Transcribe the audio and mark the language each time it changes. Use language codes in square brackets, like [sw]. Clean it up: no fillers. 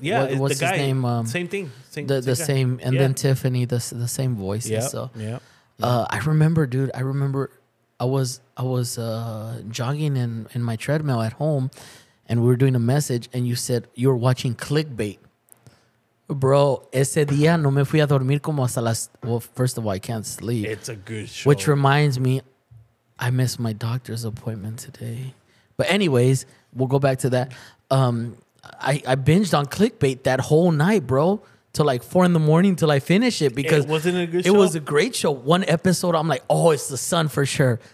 [en] Yeah, what's his name? Same thing. Same guy. And then Tiffany, the same voices, yep. So. Yeah. I remember, dude. I was jogging in my treadmill at home, and we were doing a message, and you said you were watching Clickbait. [es] Bro, ese día no me fui a dormir como hasta las... [en] Well, first of all, I can't sleep. It's a good show. Which reminds me, I missed my doctor's appointment today. But anyways, we'll go back to that. I binged on Clickbait that whole night, bro. Till like 4 a.m. till I finish it because it wasn't a good show. It was a great show. One episode, I'm like, oh, it's the sun for sure.